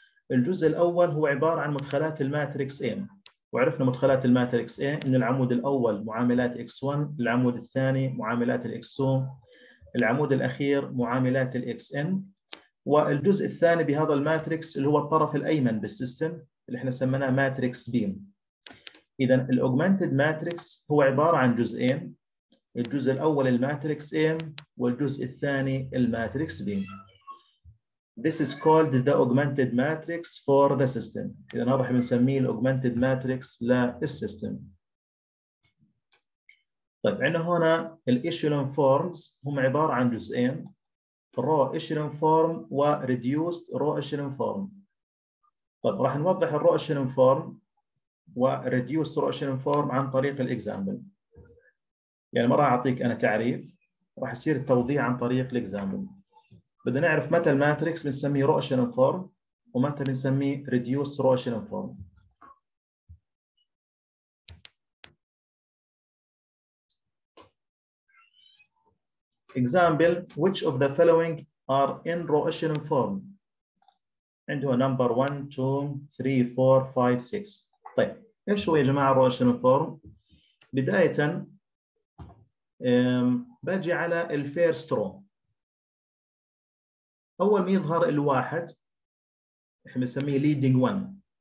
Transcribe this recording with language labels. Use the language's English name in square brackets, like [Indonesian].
[Arabic] الجزء الأول هو عبارة عن مدخلات الماتريكس A، وعرفنا مدخلات الماتريكس A إن العمود الأول معاملات X1، العمود الثاني معاملات X2، العمود الأخير معاملات Xn، والجزء الثاني بهذا الماتريكس اللي هو الطرف الأيمن بالسيستم اللي احنا سميناه ماتريكس B. إذا الأوغمانتيد ماتريكس هو عبارة عن جزئين، الجزء الأول الماتريكس A والجزء الثاني الماتريكس B. [English] This is called the augmented matrix for the system. [Arabic] إذا هذا بنسميه augmented matrix للسيستم. طيب عندنا هنا الإيشيلون فورمز هم عبارة عن جزئين، raw echelon form و reduced raw echelon form. طيب راح نوضح الـ raw echelon form و reduced raw echelon form عن طريق الإكزامبل. يعني ما راح أعطيك أنا تعريف، راح يصير التوضيح عن طريق الإكزامبل. بدنا نعرف متى الماتريكس بنسميه raw echelon form ومتى بنسميه reduced raw echelon form. [English] Example, which of the following are in raw echelon form? [Arabic] عنده [English] number 1, 2, 3, 4, 5, 6. [Arabic] طيب ايش هو يا جماعة raw echelon form؟ بداية باجي على الفيرست رو. أول ما يظهر الواحد احنا بنسميه leading one.